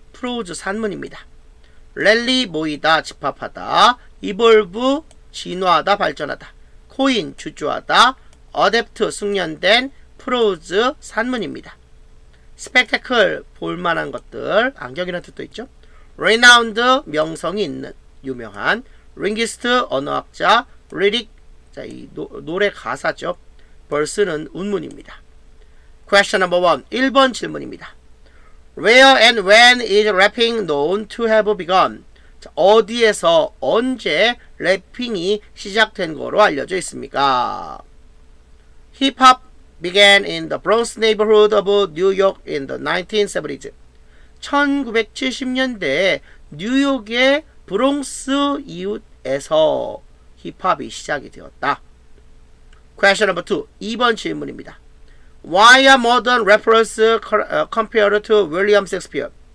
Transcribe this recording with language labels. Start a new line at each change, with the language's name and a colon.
Korean: 프로즈 산문입니다. 랠리 모이다, 집합하다, 이볼브 진화하다, 발전하다, 코인 주조하다, 어댑트 숙련된, 프로즈 산문입니다. 스펙테클 볼만한 것들, 안경이라는 뜻도 있죠. 레나운드 명성이 있는, 유명한 링기스트 언어학자, 리릭, 자, 이 노래 가사죠. 벌스는 운문입니다.
English: Question number one,
Korean: 1번 질문입니다.
English: Where and when is rapping known to have begun?
Korean: 자, 어디에서 언제 랩핑이 시작된 거로 알려져 있습니까?
English: Hip hop began in the Bronx neighborhood of New York in the 1970s.
Korean: 1970년대 뉴욕의 브롱스 이웃에서 힙합이 시작이 되었다.
English: Question number 2.
Korean: 2번 질문입니다.
English: Why are modern rappers compared to William Shakespeare?